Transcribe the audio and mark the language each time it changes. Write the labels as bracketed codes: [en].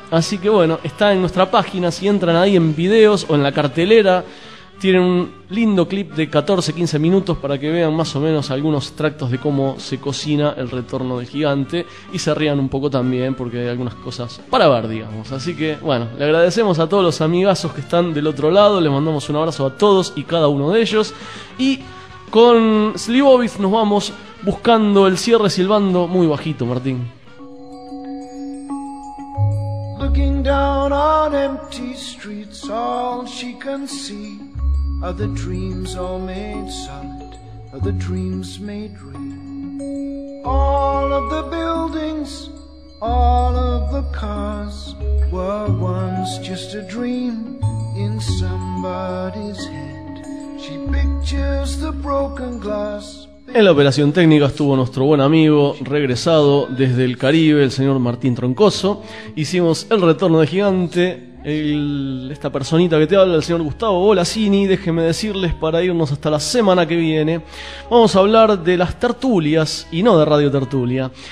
[es] Así que bueno, está en nuestra página, si entran ahí en videos o en la cartelera, tienen un lindo clip de 14-15 minutos para que vean más o menos algunos extractos de cómo se cocina el Retorno de Gigante y se rían un poco también, porque hay algunas cosas para ver, digamos. Así que bueno, le agradecemos a todos los amigazos que están del otro lado, les mandamos un abrazo a todos y cada uno de ellos, y con Slivovitz nos vamos buscando el cierre silbando muy bajito, Martín. [en] Looking down on empty streets, all she can see are the dreams all made solid, are the dreams made real. All of the buildings, all of the cars were once just a dream in somebody's head. She pictures the broken glass. [es] En la operación técnica estuvo nuestro buen amigo, regresado desde el Caribe, el señor Martín Troncoso. Hicimos el Retorno de Gigante, esta personita que te habla, el señor Gustavo Bolasini. Déjenme decirles, para irnos hasta la semana que viene, vamos a hablar de las tertulias, y no de Radio Tertulia.